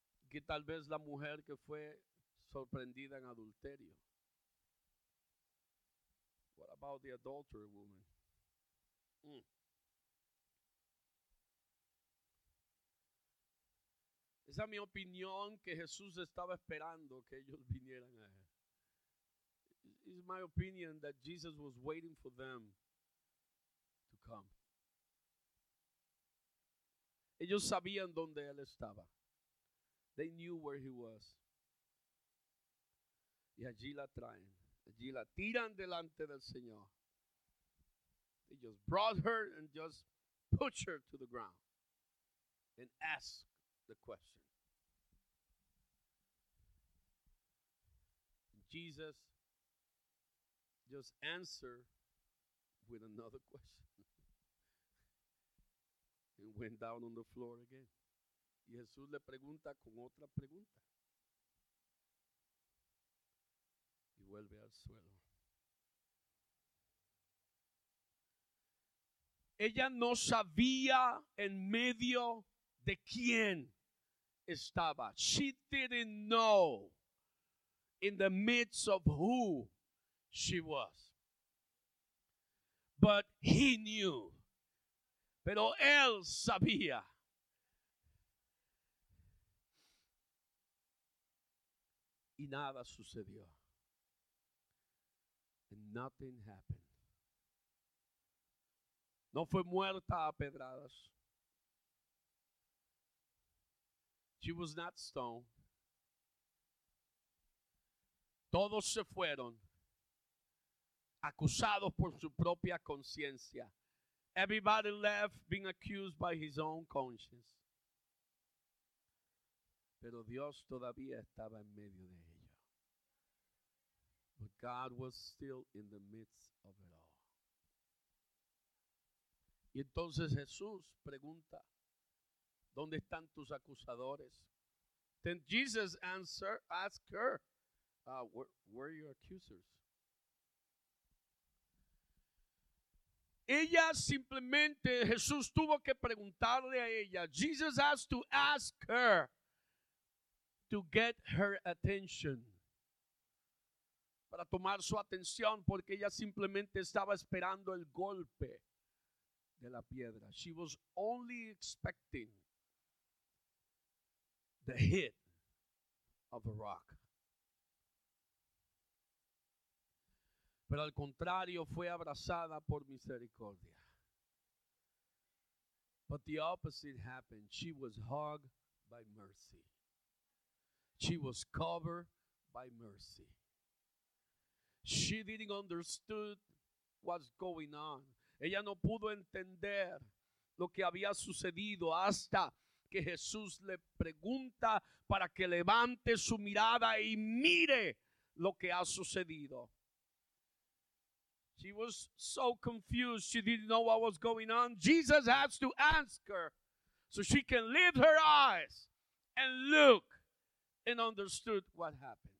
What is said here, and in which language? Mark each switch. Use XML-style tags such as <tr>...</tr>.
<es>Que tal vez la mujer que fue sorprendida en adulterio.</es> <en>What about the adultery woman?</en> <es>Esa es mi opinión, que Jesús estaba esperando que ellos vinieran a él.</es> <en>It's my opinion that Jesus was waiting for them to come.</en> <es>Ellos sabían dónde él estaba.</es> <en>They knew where he was.</en> <es>Y allí la traen. Allí la tiran delante del Señor.</es> <en>They just brought her and just put her to the ground and asked the question. Jesus just answered with another question and went down on the floor again.</en> <es>Y Jesús le pregunta con otra pregunta. Y vuelve al suelo. Ella no sabía en medio de quién estaba.</es> <en>She didn't know in the midst of who she was. But he knew.</en> <es>Pero él sabía. Y nada sucedió.</es> <en>And nothing happened.</en> <es>No fue muerta a pedradas.</es> <en>She was not stoned.</en> <es>Todos se fueron, acusados por su propia conciencia.</es> <en>Everybody left being accused by his own conscience.</en> <es>Pero Dios todavía estaba en medio de ellos.</es> <en>But God was still in the midst of it all.</en> <es>Y entonces Jesús pregunta, ¿dónde están tus acusadores?</es> <en>Then Jesus asked her, where are your accusers?</en> <es>Ella simplemente, Jesús tuvo que preguntarle a ella.</es> <en>Jesus has to ask her to get her attention.</en> <es>Para tomar su atención, porque ella simplemente estaba esperando el golpe de la piedra.</es> <en>She was only expecting the hit of a rock.</en> <es>Pero al contrario, fue abrazada por misericordia.</es> <en>But the opposite happened. She was hugged by mercy. She was covered by mercy. She didn't understand what's going on.</en> <es>Ella no pudo entender lo que había sucedido hasta que Jesús le pregunta para que levante su mirada y mire lo que ha sucedido.</es> <en>She was so confused. She didn't know what was going on. Jesus has to ask her so she can lift her eyes and look and understood what happened.</en>